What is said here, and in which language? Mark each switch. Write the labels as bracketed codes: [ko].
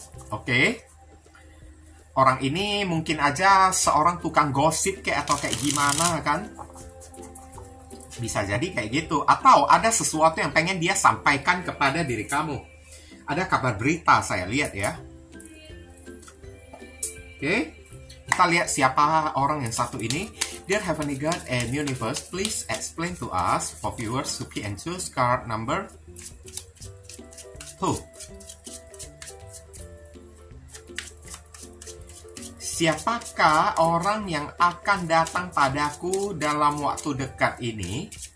[id] Oke, orang ini mungkin aja seorang tukang gosip kayak, atau kayak gimana kan? Bisa jadi kayak gitu, atau ada sesuatu yang pengen dia sampaikan kepada diri kamu. Ada kabar berita saya lihat ya. Oke, okay. Kita lihat siapa orang yang satu ini. [en] Dear Heavenly God and Universe, please explain to us for viewers to pick and choose card number 2. [id] Siapakah orang yang akan datang padaku dalam waktu dekat ini?